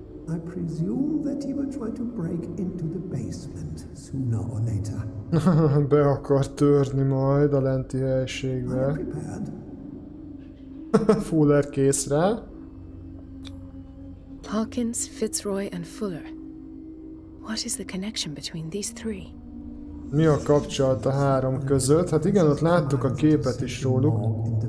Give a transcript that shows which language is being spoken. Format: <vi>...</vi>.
<en>I presume that he will try to break into the basement sooner or later.</en> <hu>Be akar törni majd a lenti helységbe. Fuller kész rá.</hu> <en>Hawkins, Fitzroy and Fuller. What is the connection between these three?</en> <hu>Mi a kapcsolat a három között? Hát igen, ott láttuk a képet is róluk.</hu>